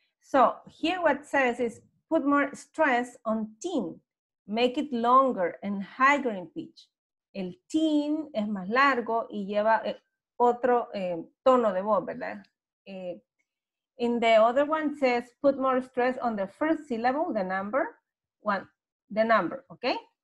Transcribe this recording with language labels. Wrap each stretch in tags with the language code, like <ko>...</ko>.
<en>So, here what says is put more stress on teen. Make it longer and higher in pitch.</en> <es>El teen es más largo y lleva otro tono de voz, ¿verdad?</es> <en>In the other one says put more stress on the first syllable, the number, okay?</en>